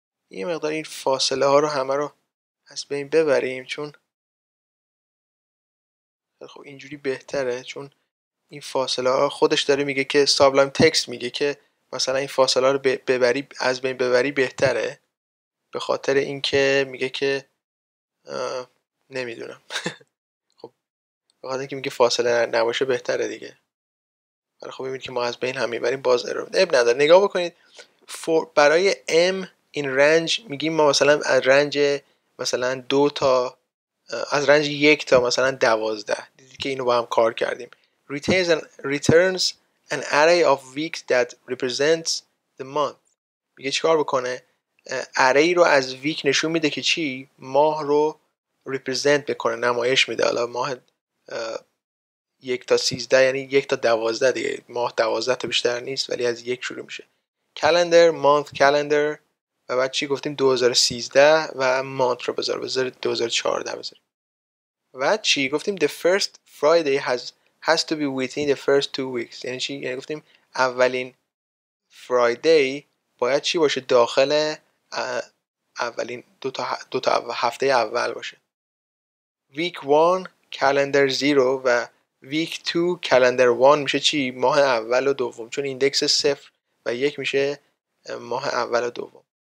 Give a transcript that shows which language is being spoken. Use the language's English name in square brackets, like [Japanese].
[Persian] یه مقدار این فاصله ها رو همه رو از بین ببریم، چون خب اینجوری بهتره، چون این فاصله ها خودش داره میگه که سابلایم تکست میگه که مثلا این فاصله ها رو ببری از بین ببری بهتره، به خاطر اینکه میگه که نمیدونم بخواد اینکه میگه فاصله نباشه بهتره دیگه. ولی خب میبینید که ما از بین هم میبریم، باز ارور میده. اب نداره. نگاه بکنید فور برای M این رنج میگیم ما مثلا از رنج مثلا 2 تا از رنج 1 تا مثلا 12. دیدید که اینو با هم کار کردیم. [English] Returns an array of weeks that represents the month. [Persian] میگه چیکار بکنه؟ array رو از week نشون میده که چی؟ ماه رو represent بکنه، نمایش میده. حالا ماه 1 تا 13 یعنی 1 تا 12 دیگه، ماه 12 تا بیشتر نیست ولی از 1 شروع میشه. calendar month calendar و بعد چی گفتیم 2013 و month رو بذار 2014 بذار. و چی گفتیم؟ [English] the first friday has to be within the first 2 weeks. [Persian] یعنی چی؟ یعنی گفتیم اولین friday باید چی باشه؟ داخل اولین دو تا هفته اول باشه. week 1 calendar 0 و week 2 calendar 1 میشه چی؟ ماه اول و دوم، چون ایندکس 0 و 1 میشه ماه اول و دوم.